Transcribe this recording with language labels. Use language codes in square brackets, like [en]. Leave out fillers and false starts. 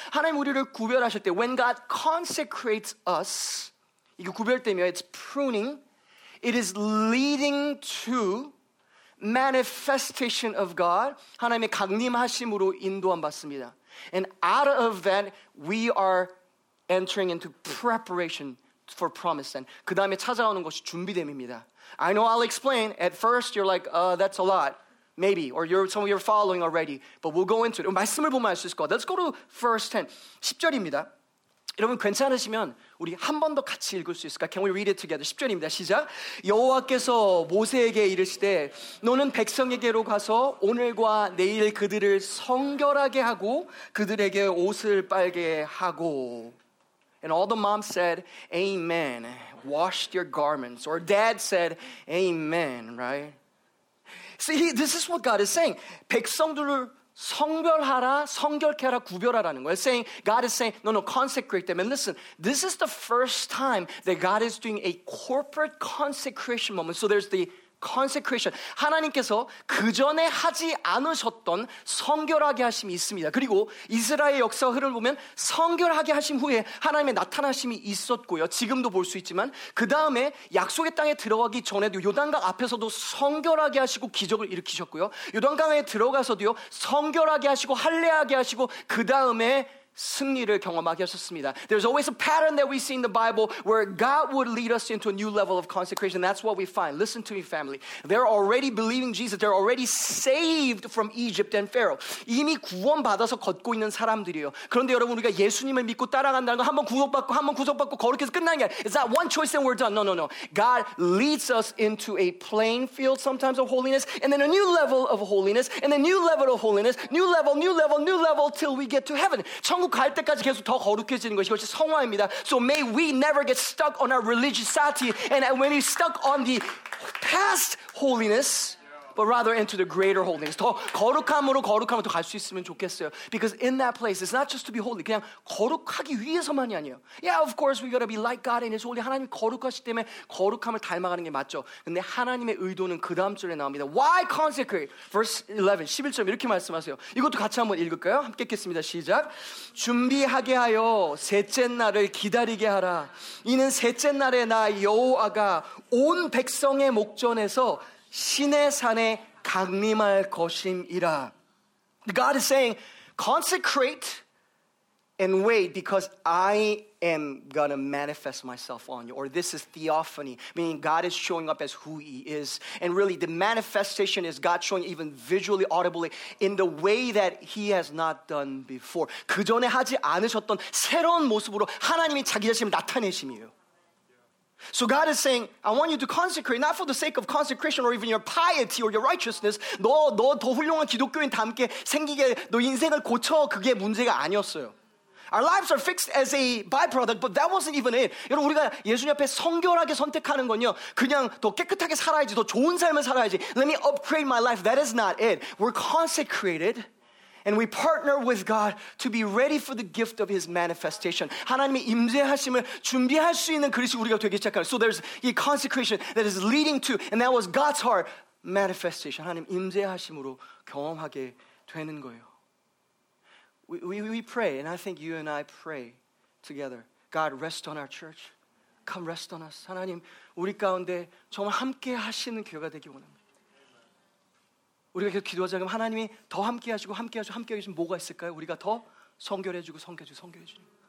[ko] 하나님 우리를 구별하실 때, [en] when God consecrates us, [ko] 이게 구별되며, [en] it's pruning, it is leading to manifestation of God, [ko] 하나님의 강림하심으로 인도함 받습니다. [en] And out of that, we are entering into preparation for promise. And [ko] 그 다음에 찾아오는 것이 준비됨입니다. [en] I know I'll explain. At first, you're like, that's a lot. Maybe. Or some of you are following already. But we'll go into it. [ko] 말씀을 보면 알 수 있을 것 같아요. [en] Let's go to first 10. [ko] 10절입니다. 여러분 괜찮으시면 우리 한 번 더 같이 읽을 수 있을까? [en] Can we read it together? [ko] 10절입니다. 시작. 여호와께서 모세에게 이르시되 너는 백성에게로 가서 오늘과 내일 그들을 성결하게 하고 그들에게 옷을 빨게 하고. [en] And all the moms said, amen, washed your garments. Or dad said, amen, right? See, this is what God is saying. [ko] 백성들을 성별하라, 성결케라, 구별하라는 거예요. [en] Saying, God is saying, no, consecrate them. And listen, this is the first time that God is doing a corporate consecration moment. So there's the consecration. [ko] 하나님께서 그 전에 하지 않으셨던 성결하게 하심이 있습니다. 그리고 이스라엘 역사 흐름을 보면 성결하게 하심 후에 하나님의 나타나심이 있었고요. 지금도 볼 수 있지만 그 다음에 약속의 땅에 들어가기 전에도 요단강 앞에서도 성결하게 하시고 기적을 일으키셨고요. 요단강에 들어가서도요 성결하게 하시고 할례하게 하시고 그 다음에 승리를 경험하게 하셨습니다. [en] There's always a pattern that we see in the Bible where God would lead us into a new level of consecration. That's what we find. Listen to me, family. They're already believing Jesus. They're already saved from Egypt and Pharaoh. [ko] 이미 구원받아서 걷고 있는 사람들이에요. 그런데 여러분 우리가 예수님을 믿고 따라간다는 거 한 번 구속받고 한 번 구속받고 거룩해서 끝나는 게 아니라 [en] It's not one choice and we're done. No. God leads us into a playing field sometimes of holiness and then a new level of holiness and a new level of holiness, new level till we get to heaven. [ko] 천국 갈 때까지 계속 더 거룩해지는 것이 이것이 성화입니다. [en] So may we never get stuck on our religiosity and when we're stuck on the past holiness but rather into the greater holiness. [ko] 더 거룩함으로 거룩함으로 더 갈 수 있으면 좋겠어요. [en] Because in that place it's not just to be holy. [ko] 그냥 거룩하기 위해서만이 아니에요. [en] Yeah, of course we got to be like God and His holy. [ko] 하나님 거룩하시기 때문에 거룩함을 닮아가는 게 맞죠. 근데 하나님의 의도는 그 다음 절에 나옵니다. [en] Why consecrate? Verse 11, [ko] 11절 이렇게 말씀하세요. 이것도 같이 한번 읽을까요? 함께 읽겠습니다. 시작. 준비하게 하여 셋째 날을 기다리게 하라. 이는 셋째 날에 나 여호와가 온 백성의 목전에서 신의 산에 강림할 것임이라. [en] God is saying, consecrate and wait because I am gonna manifest myself on you. Or this is theophany, meaning God is showing up as who he is. And really the manifestation is God showing even visually, audibly in the way that he has not done before. [ko] 그 전에 하지 않으셨던 새로운 모습으로 하나님이 자기 자신을 나타내심이에요. [en] So God is saying, I want you to consecrate, not for the sake of consecration or even your piety or your righteousness. [ko] 너 더 훌륭한 기독교인답게 생기게 너 인생을 고쳐 그게 문제가 아니었어요. [en] Our lives are fixed as a byproduct, but that wasn't even it. [ko] 여러분 우리가 예수님 앞에 성결하게 선택하는 건요, 그냥 더 깨끗하게 살아야지, 더 좋은 삶을 살아야지. [en] Let me upgrade my life. That is not it. We're consecrated. And we partner with God to be ready for the gift of His manifestation. [ko] 하나님의 임재하심을 준비할 수 있는 그리스도 우리가 되기 시작하는. [en] So there's a consecration that is leading to, and that was God's heart, manifestation. [ko] 하나님 임재하심으로 경험하게 되는 거예요. [en] We pray, and I think you and I pray together. God, rest on our church. Come rest on us. [ko] 하나님, 우리 가운데 정말 함께 하시는 교회가 되기 원합니다. 우리가 계속 기도하자. 그럼 하나님이 더 함께 하시고 함께 하시고 함께 하시면 뭐가 있을까요? 우리가 더 성결해지고 성결해지고 성결해지는.